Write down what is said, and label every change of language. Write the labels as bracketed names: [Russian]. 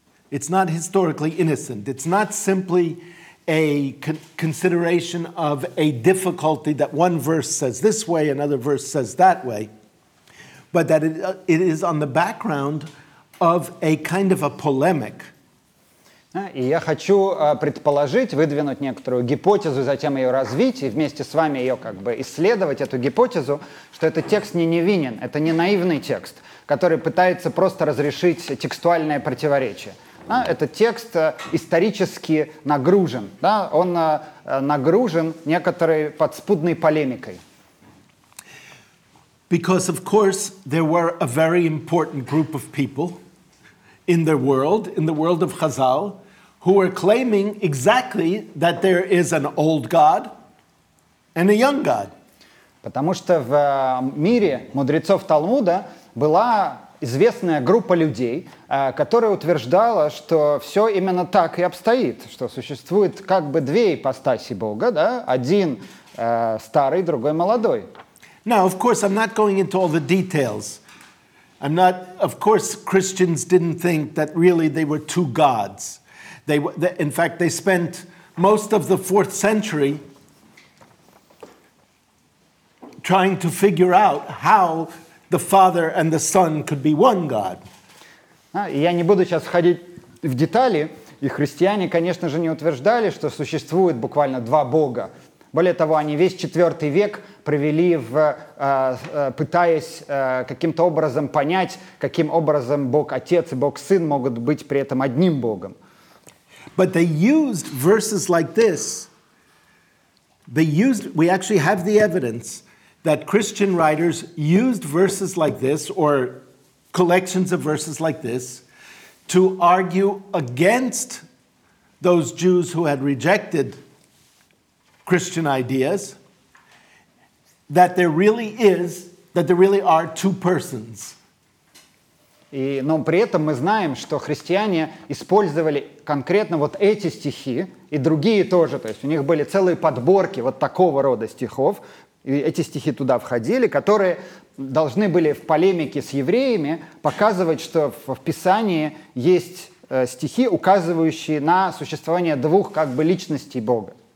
[English] It's not historically innocent. It's not simply a consideration of a difficulty that one verse says this way, another verse says that way, but that it is on the background of a kind of a polemic. [Russian] И я хочу предположить, выдвинуть некоторую гипотезу, затем ее развить и вместе с вами ее как бы исследовать, эту гипотезу, что этот текст не невинен, это не наивный текст, который пытается просто разрешить текстуальное противоречие. Да, этот текст исторически нагружен, да, он нагружен некоторой подспудной полемикой. [English] Because, of course, there were a very important group of people in the world of Chazal, who are claiming exactly that there is an old God and a young God. [Russian] Потому что в мире мудрецов Талмуда была известная группа людей, которая утверждала, что все именно так и обстоит, что существует как бы две ипостаси Бога, да? Один старый, другой молодой. [English] Now, of course, I'm not going into all the details. I'm not, of course, Christians didn't think that really they were two gods. In fact, they spent most of the 4th century trying to figure out how the Father and the Son could be one God. [Russian] Я не буду сейчас входить в детали, и христиане, конечно же, не утверждали, что существует буквально два Бога. Более того, они весь 4 век провели, пытаясь каким-то образом понять, каким образом Бог Отец и Бог Сын могут быть при этом одним Богом. [English] But they used verses like this. We actually have the evidence that Christian writers used verses like this or collections of verses like this to argue against those Jews who had rejected Christian ideas, that there really is, that there really are two persons. [Russian] И, но при этом мы знаем, что христиане использовали конкретно вот эти стихи и другие тоже. То есть у них были целые подборки вот такого рода стихов, и эти стихи туда входили, которые должны были в полемике с евреями показывать, что в Писании есть стихи, указывающие на существование двух как бы личностей Бога.